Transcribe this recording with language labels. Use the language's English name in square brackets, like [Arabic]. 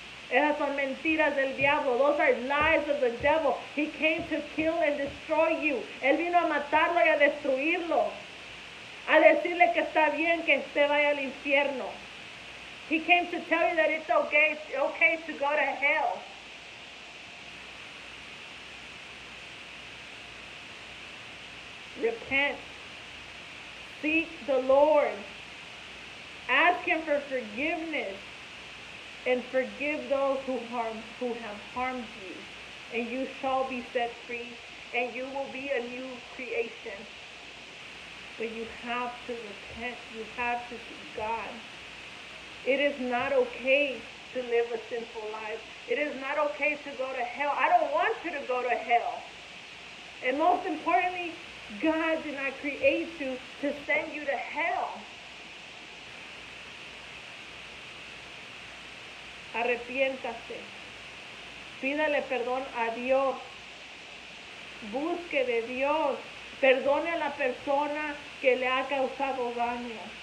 [Spanish] Esas son mentiras del diablo. [English] Those are lies of the devil. He came to kill and destroy you. [Spanish] Él vino a matarlo y a destruirlo. A decirle que está bien que usted vaya al infierno. [English] He came to tell you that it's okay to go to hell. Repent. Seek the Lord. Ask him for forgiveness. And forgive those who have harmed you. And you shall be set free. And you will be a new creation. But you have to repent. You have to seek God. It is not okay to live a sinful life. It is not okay to go to hell. I don't want you to go to hell. And most importantly, God did not create you to send you to hell. [Spanish] Arrepiéntase, pídale perdón a Dios, busque de Dios, perdone a la persona que le ha causado daño.